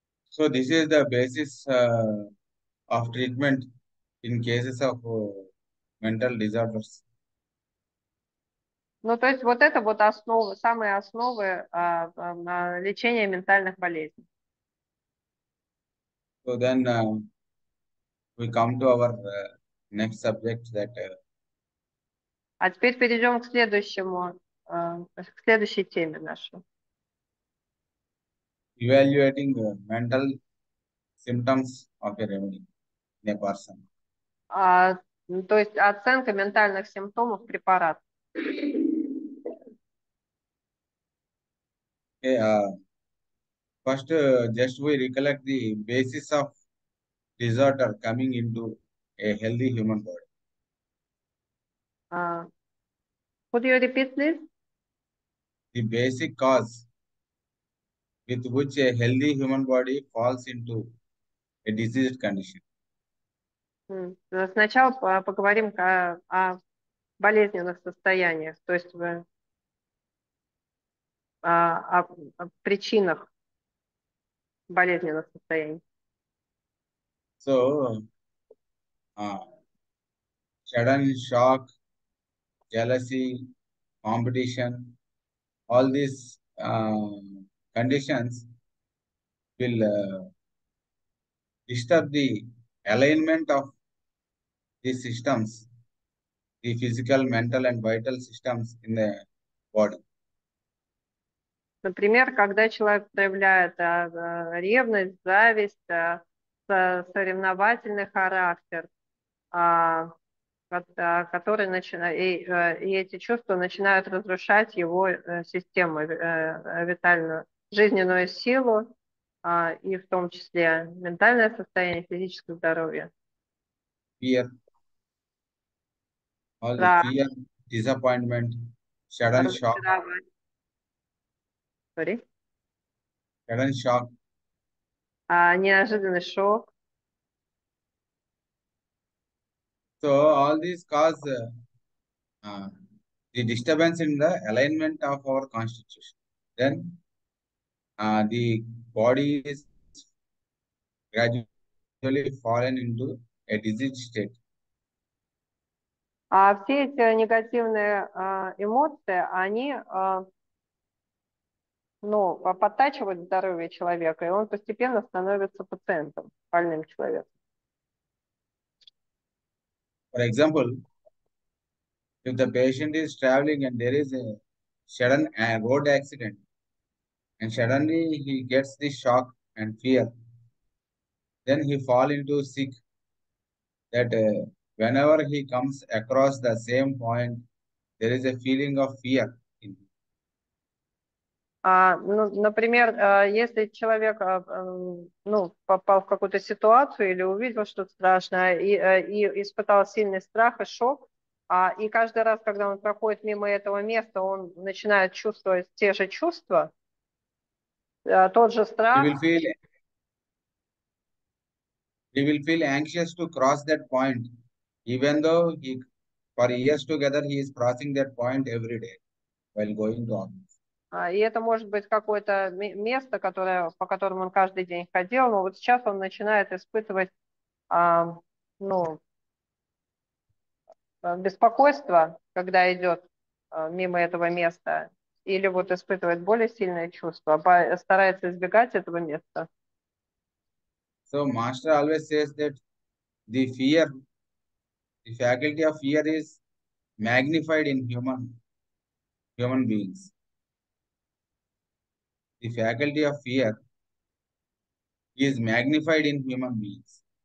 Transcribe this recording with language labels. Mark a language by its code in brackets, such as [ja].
[en] So this is the basis of treatment in cases of mental disorders. [ru] Ну, то есть вот это вот основы, самые основы лечения ментальных болезней. [en] So then we come to our next subject that. [ru] А теперь перейдем к следующему, к следующей теме нашей. [en] Evaluating the mental symptoms of a remedy in a person. [ru] То есть оценка ментальных симптомов препарата. [en] Okay, first, just we recollect the basis of disorder coming into a healthy human body. Could you repeat, please? The basic cause with which a healthy human body falls into a diseased condition. [ru] Сначала поговорим о болезненных состояниях, то есть о причинах болезненных состояний. [en] So, sudden shock, jealousy, competition, all these conditions will disturb the alignment of these systems, the physical, mental, and vital systems in the body. [ru] Например, когда человек проявляет ревность, зависть, соревновательный характер, который начинает, и эти чувства начинают разрушать его систему, витальную жизненную силу, и в том числе ментальное состояние, физическое здоровье. [en] Fear, all the [ru] Страх. [en] fear, disappointment, sudden shock, [ru] Разочарование. [en] Sorry. [ru] А неожиданный шок. [en] So all these cause the disturbance in the alignment of our constitution. Then the body is gradually fallen into a diseased state. [ru] А все эти негативные эмоции, они ну, подтачивает здоровье человека, и он постепенно становится пациентом, больным человеком. [en] For example, if the patient is traveling and there is a sudden road accident, and suddenly he gets the shock and fear, then he fall into sick. That whenever he comes across the same point, there is a feeling of fear. [ru] Например, если человек попал в какую-то ситуацию или увидел что-то страшное и испытал сильный страх и шок, и каждый раз, когда он проходит мимо этого места, он начинает чувствовать те же чувства, тот же страх. [en] He will feel anxious to cross that point, even though he, for years together, he is crossing that point every day while going to office. [ru] И это может быть какое-то место, по которому он каждый день ходил, но вот сейчас он начинает испытывать беспокойство, когда идет мимо этого места, или вот испытывает более сильное чувство, старается избегать этого места. [en] So master always says that the fear, the faculty of fear is magnified in human beings. The faculty of fear is magnified in human beings.